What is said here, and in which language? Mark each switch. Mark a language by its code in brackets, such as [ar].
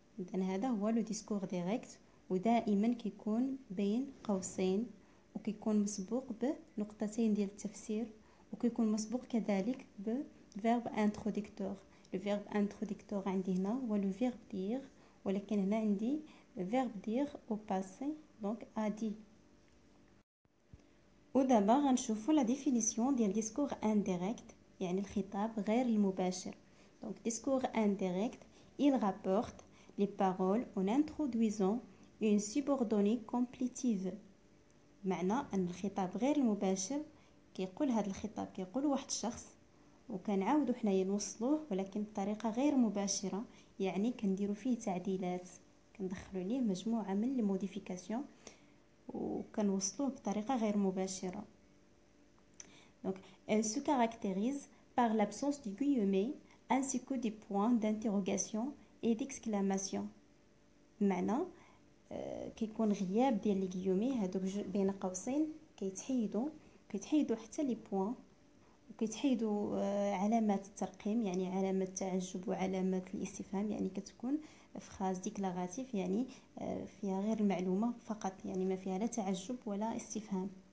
[ar] اذا هذا هو لو ديسكور ديريكت ودائما كيكون بين قوسين وكيكون مسبوق بنقطتين ديال التفسير وكيكون مسبوق كذلك ب فيرب انتروديكتور. لو فيرب انتروديكتور عندي هنا هو لو فيرب دير ولكن هنا عندي فيرب دير او باسي دونك ادي. ودابا غنشوفوا لا ديفينيسيون ديال ديسكور انديريكت يعني الخطاب غير المباشر. [fr] دونك ديسكور انديريكت il rapporte les paroles en introduisant une subordonnée complétive. [ar] معنى ان الخطاب غير المباشر كيقول هذا الخطاب كيقول واحد الشخص وكنعاودو حنايا نوصلوه ولكن بطريقه غير مباشره يعني كنديرو فيه تعديلات كندخلو ليه مجموعه من لي موديفيكاسيون وكنوصلوه بطريقه غير مباشره. [fr] دونك elle se caractérise par l'absence du guillemet ainsi que des points d'interrogation et d'exclamation. [ar] معنى كيكون غياب ديال لي غيومي هادوك بين قوسين كيتحيدوا حتى لي بوين وكيتحيدوا علامات الترقيم يعني علامه التعجب وعلامه الاستفهام يعني كتكون فراز ديكلاراتيف يعني فيها غير المعلومه فقط يعني ما فيها لا تعجب ولا استفهام.